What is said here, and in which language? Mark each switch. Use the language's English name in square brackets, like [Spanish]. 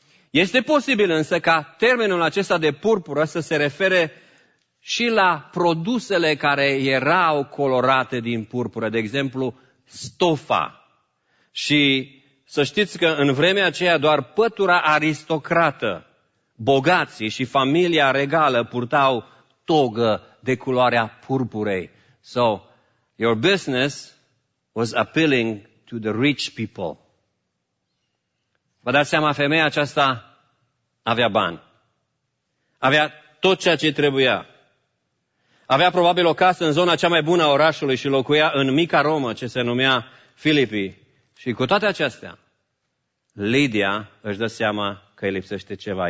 [Romanian] Este posibil însă ca termenul acesta de purpură să se refere și la produsele care erau colorate din purpură, de exemplu stofa. Și să știți că în vremea aceea doar pătura aristocrată, bogații și familia regală purtau togă de culoarea purpurei. [English] So, your business was appealing to the rich people. [Romanian] Vă dați seama, femeia aceasta avea bani. Avea tot ceea ce trebuia. Avea probabil o casă în zona cea mai bună a orașului și locuia în mica Romă, ce se numea Filipii. Și cu toate acestea, Lidia își dă seama că îi lipsește ceva.